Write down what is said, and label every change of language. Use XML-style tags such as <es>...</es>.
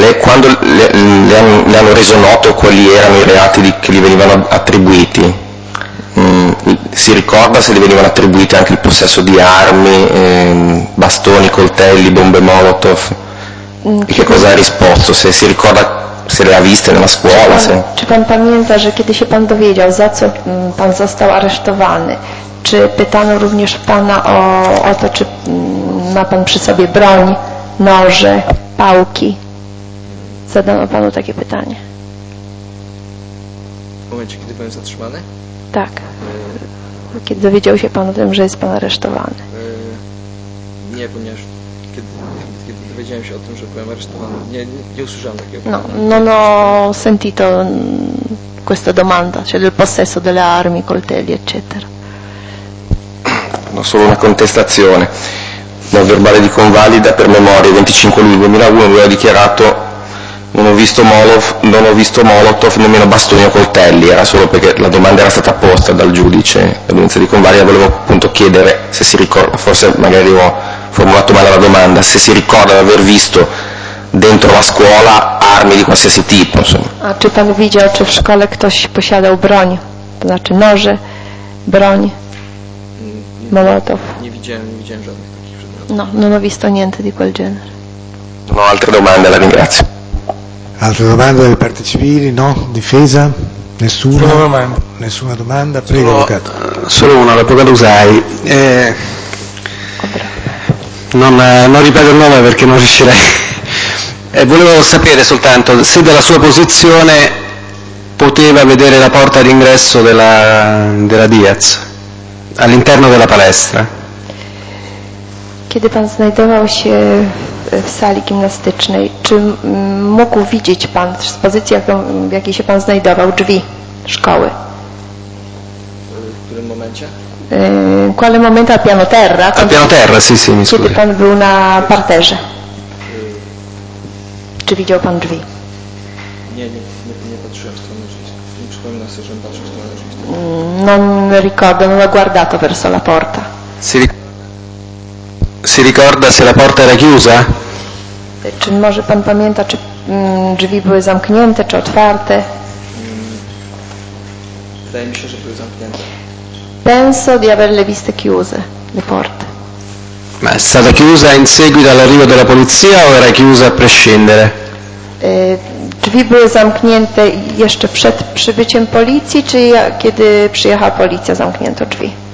<it>Quando le hanno reso noto quali erano i reati che gli venivano attribuiti, si ricorda se gli venivano attribuiti anche il possesso di armi, bastoni, coltelli, bombe Molotov? E che cosa ha risposto? Se si ricorda se le ha viste nella scuola?</it> <pl>Czy pan pamięta, że kiedy się pan dowiedział, za co pan został aresztowany, czy pytano również pana o to, czy ma pan przy sobie broń, noże, pałki? Zadano panu takie pytanie. W momencie, kiedy byłem zatrzymany? Tak. Kiedy dowiedział się pan o tym, że jest pan aresztowany? Nie, ponieważ kiedy dowiedziałem się o tym, że byłem aresztowany, nie usłyszałem takiego pytania.</pl> <it>No, sentito questa domanda, cioè del possesso delle armi, coltelli, eccetera. No, solo una contestazione. Nel verbale di convalida per memoria, 25 luglio 2001, lui ha dichiarato: Non ho visto Molotov, nemmeno bastoni o coltelli. Era solo perché la domanda era stata posta dal giudice dell'udienza di convalida. Volevo appunto chiedere se si ricorda, forse magari ho formulato male la domanda, se si ricorda di aver visto dentro la scuola armi di qualsiasi tipo.</it> <pl>A czy pan widział, czy w szkole ktoś posiadał broń, to znaczy noże, broń, Molotov? Nie widziałem żadnych takich przedmiotów.</pl> <it>No, non ho visto niente di quel genere. Non ho altre domande, la ringrazio. Altre domande delle parti civili? No? Difesa? Nessuna? Nessuna domanda? Prego, avvocato. Solo una, l'avvocato Usai. Non ripeto il nome perché non riuscirei. Volevo sapere soltanto se dalla sua posizione poteva vedere la porta d'ingresso della Diaz all'interno della palestra.</it> <pl>Kiedy pan znajdował się w sali gimnastycznej, czy mógł widzieć pan z pozycji, w jakiej się pan znajdował, drzwi szkoły? W którym momencie?</pl> <it>W quale momento? Al piano terra? Al piano terra, sì, mi</it> <pl>scusi. Kiedy pan był na parterze? Czy widział pan drzwi? Nie patrzyłem w stronę drzwi. Nie przypomina sobie, że patrzył w stronę drzwi.</pl> <it>Non ricordo, non ho guardato verso la porta. Si ricorda se la porta era chiusa?</it> <pl>Czy może pan pamięta, czy drzwi były zamknięte, czy otwarte? Wydaje mi się, że były zamknięte.</pl> <it>Penso di averle viste chiuse le porte. Ma è stata chiusa in seguito all'arrivo della polizia o era chiusa a prescindere?</it> <pl>Drzwi były zamknięte jeszcze przed przybyciem policji, czy kiedy przyjechała policja, zamknięto drzwi?</pl>